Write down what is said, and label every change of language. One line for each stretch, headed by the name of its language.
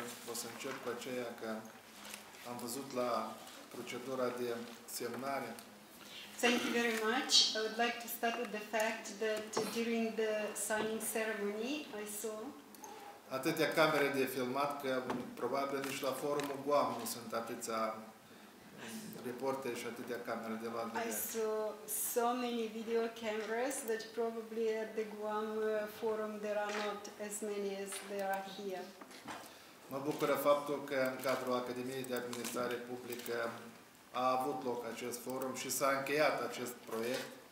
Romanian: O să încep cu aceea că am văzut la procedura de semnare.
English: Thank you very much. I would like to start with the fact that during the signing ceremony, I saw
Romanian: atâtea camere de filmat că probabil nici la forumul Guam nu sunt atâția reporte și atâtea camere de la
English: I saw so many video cameras that probably at the Guam forum there are not as many as there are here.
Romanian: Mă bucură faptul că în cadrul Academiei de Administrare Publică a avut loc acest forum și s-a încheiat acest proiect.